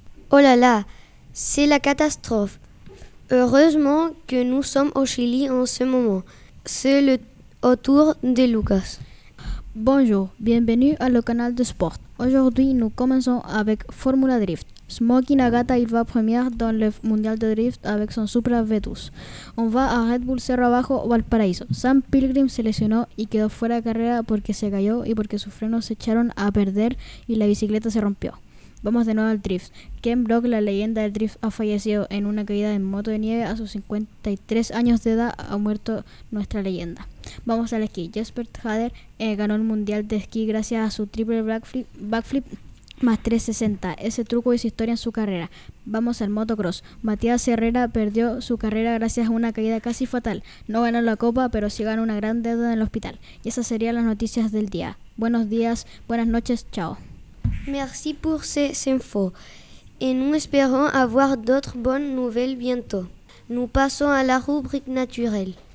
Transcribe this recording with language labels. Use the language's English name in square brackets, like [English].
[French] Oh là là, c'est la catastrophe. Heureusement que nous sommes au Chili en ce moment. C'est le autour de Lucas. Bonjour, bienvenue à le canal de sport. Aujourd'hui, nous commençons avec Formula Drift. Smokey Nagata, il va premier dans le mondial de drift avec son Supra Vetus. On va à Red Bull Cerro Abajo, Valparaíso. [Spanish] Sam Pilgrim se lesionó y quedó fuera de carrera porque se cayó y porque sus frenos se echaron a perder y la bicicleta se rompió. Vamos de nuevo al drift. Ken Block, la leyenda del drift, ha fallecido en una caída en moto de nieve a sus 53 años de edad. Ha muerto nuestra leyenda. Vamos al esquí. Jesper Hader ganó el mundial de esquí gracias a su triple backflip más 360. Ese truco hizo historia en su carrera. Vamos al motocross. Matías Herrera perdió su carrera gracias a una caída casi fatal. No ganó la copa, pero sí ganó una gran deuda en el hospital. Y esas serían las noticias del día. Buenos días, buenas noches, chao. [French] Merci pour ces infos et nous espérons avoir d'autres bonnes nouvelles bientôt. Nous passons à la rubrique naturelle.